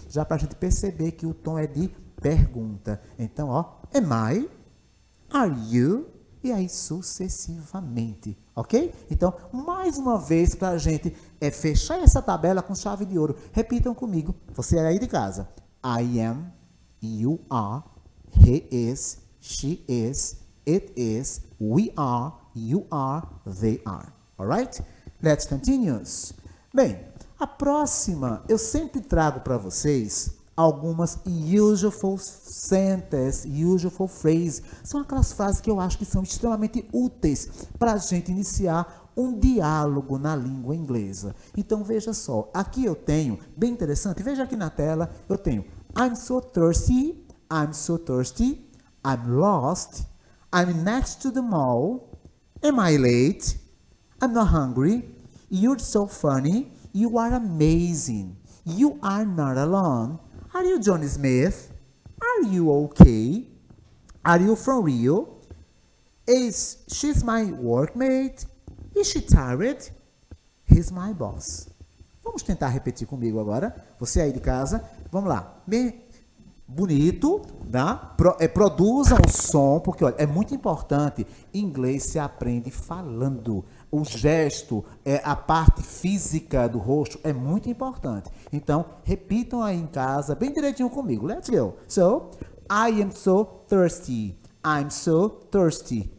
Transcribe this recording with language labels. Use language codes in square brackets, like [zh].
[pt] Já para a gente perceber que o tom é de pergunta. Então, ó, [en] am I? Are you? [pt] E aí, sucessivamente, ok? Então, mais uma vez, para a gente fechar essa tabela com chave de ouro. Repitam comigo, você é aí de casa. [en] I am. You are, he is, she is, it is, we are, you are, they are. Alright? Let's continue. [pt] Bem, a próxima, eu sempre trago para vocês algumas [en] useful sentences, useful phrases. [pt] São aquelas frases que eu acho que são extremamente úteis para a gente iniciar um diálogo na língua inglesa. Então, veja só. Aqui eu tenho, bem interessante, veja aqui na tela, eu tenho... [en] I'm so thirsty, I'm so thirsty, I'm lost, I'm next to the mall, am I late, I'm not hungry, you're so funny, you are amazing, you are not alone, are you John Smith, are you okay, are you from Rio, she's my workmate, is she tired, he's my boss. [pt] Vamos tentar repetir comigo agora, você aí de casa. Vamos lá, bonito, né? Produza o som, porque olha, é muito importante, inglês se aprende falando, o gesto, a parte física do rosto é muito importante. Então, repitam aí em casa, bem direitinho comigo, [en] let's go. So, I am so thirsty, I'm so thirsty.